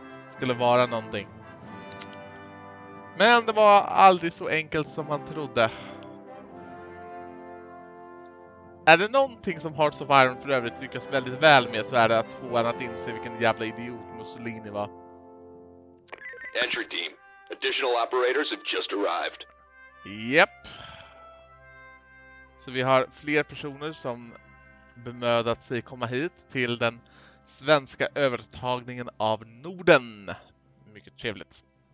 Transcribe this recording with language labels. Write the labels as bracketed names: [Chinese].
[Swedish] Skulle vara någonting. Men det var aldrig så enkelt som man trodde. Är det någonting som Hearts of Iron för övrigt lyckas väldigt väl med så är det att få en att inse vilken jävla idiot Mussolini var. [English] Entry team. Additional operators have just arrived. Yep. [Swedish] Så vi har fler personer som bemödat sig komma hit till den svenska övertagningen av Norden. Mycket trevligt.